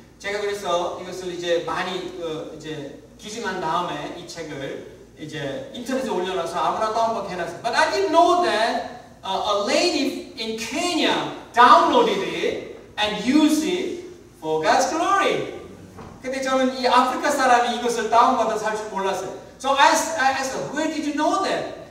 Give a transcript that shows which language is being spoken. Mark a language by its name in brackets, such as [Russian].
[Korean] 제가 그래서 이것을 이제 많이 이제 기증한 다음에 이 책을 이제 인터넷에 올려놔서 아무나 다운받게 해놨어요. [English] But I didn't know that a lady in Kenya downloaded it and used it for God's glory. [Korean] 근데 저는 이 아프리카 사람이 이것을 다운받아서 할 줄 몰랐어요. [English] So I asked her, where did you know that?